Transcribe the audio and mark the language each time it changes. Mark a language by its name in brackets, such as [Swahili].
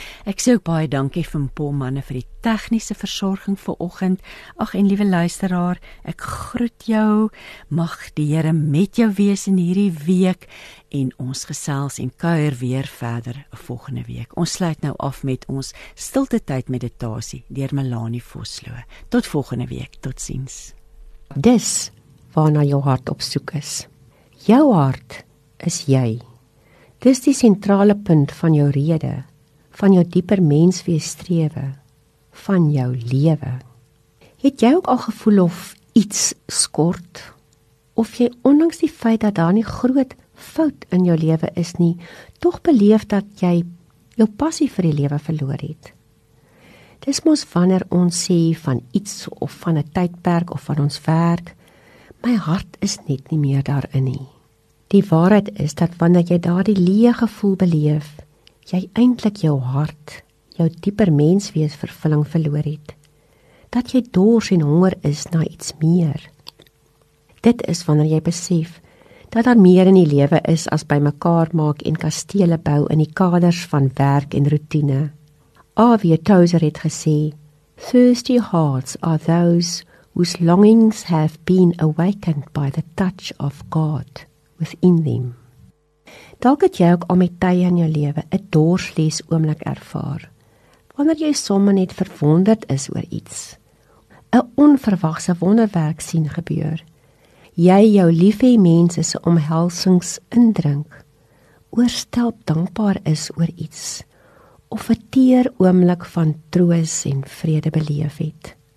[Afrikaans] Ek sê ook baie dankie vir Paul Manne vir die tegniese versorging vanoggend. Ag en liewe luisteraar, ek groet jou. Mag die Here met jou wees in hierdie week en ons gesels en kuier weer verder volgende week. Ons sluit nou af met ons stilte tyd meditasie deur Melanie Vosloo. Tot volgende week, tot ziens. Dis waarna jou hart op soek is. Jou hart is jy. Dis die sentrale punt van jou rede, van jou dieper menswees strewe, van jou lewe. Het jy ook al gevoel of iets skort? Of jy ondanks die feit dat daar nie groot fout in jou lewe is nie, toch beleef dat jy jou passie vir die lewe verloor het? Dis mos wanneer ons sê van iets of van 'n tydperk of van ons werk, my hart is net nie meer daarin nie. Die waarheid is dat wanneer jy daardie leë gevoel beleef, jy eintlik jou hart, jou dieper menswees vervulling verloor het. Dat jy dors en honger is na iets meer. Dit is wanneer jy besef dat daar meer in die lewe is as by mekaar maak en kastele bou in die kaders van werk en routine. R.W. [English] Tozer [Afrikaans] het gesê, [English] "Thirsty hearts are those whose longings have been awakened by the touch of God within them." [Afrikaans] Dalk het jy ook al met tye in jou lewe 'n dorslees oomblik ervaar, wanneer jy sommer net verwonderd is oor iets, 'n onverwagse wonderwerk sien gebeur, jy jou liefhê mense se omhelsings indrink, oorstelp dankbaar is oor iets, of 'n teer oomblik van troos en vrede beleef het.